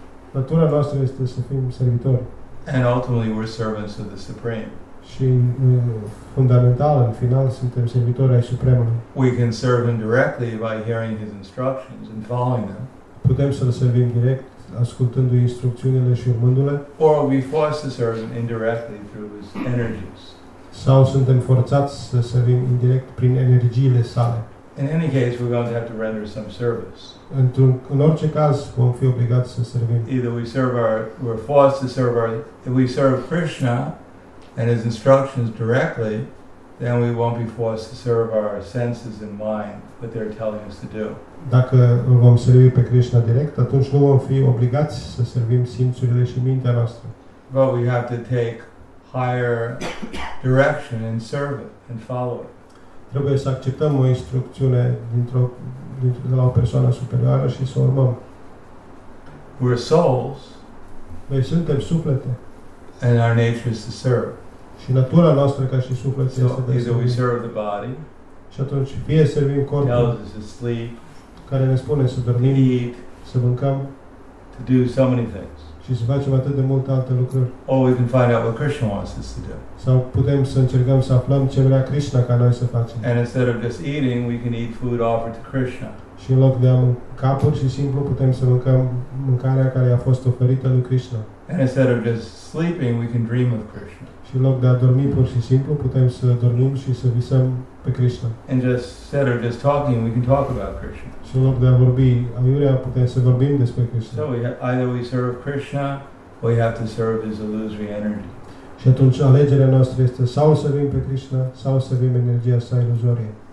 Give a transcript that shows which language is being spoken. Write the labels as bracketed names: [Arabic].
[Romanian] Natura noastră este să fim servitori. [English] And ultimately we're servants of the Supreme. [Romanian] Și fundamental, în final, suntem servitori ai Supremului. [English] We can serve him directly by hearing his instructions and following them. [Romanian] Putem să-l servim direct, ascultându-i instrucțiunile și urmându-le. [English] Or we force to serve him indirectly through his energies. [Romanian] Sau suntem forțați să servim indirect prin energiile sale. [English] In any case, we're going to have to render some service. [Romanian] În orice caz, vom fi obligați să servim. [English] Either we're forced to serve our, if we serve Krishna and his instructions directly, then we won't be forced to serve our senses and mind, what they're telling us to do. [Romanian] Dacă vom servi pe Krishna direct, atunci nu vom fi obligați să servim simțurile și mintea noastră. [English] But we have to take higher direction and serve it and follow it. [Romanian] Trebuie să acceptăm o instrucțiune de la o persoană superioară și să urmăm. [English] We're souls. [Romanian] Noi suntem suflete. [English] And our nature is to serve. [Romanian] Și natura noastră ca și suflet este de servit. [English] Either we serve the body. [Romanian] Și atunci fie servim corpul. [English] Tells us to sleep. [Romanian] Care ne spune să dormim. [English] To eat. [Romanian] Să mâncăm. [English] To do so many things. [Romanian] Și să facem atât de multe alte lucruri. [English] Or we can find out what Krishna wants us to do. [Romanian] Sau putem să încercăm să aflăm ce vrea Krishna ca noi să facem. [English] And instead of just eating, we can eat food offered to Krishna. [Romanian] Și în loc de a mânca pur și simplu, putem să mâncăm mâncarea care a fost oferită lui Krishna. [English] And instead of just sleeping, we can dream of Krishna. [Romanian] Și în loc de a dormi pur și simplu, putem să dormim și să visăm pe Krishna. [English] And just instead of just talking, we can talk about Krishna. [Romanian] Și în loc de a vorbi aiurea, putem să vorbim despre Krishna. [English] So either we serve Krishna, or we have to serve his illusory energy. [Romanian] Și atunci alegerea noastră este sau să servim pe Krishna, sau să servim energia sa iluzorie.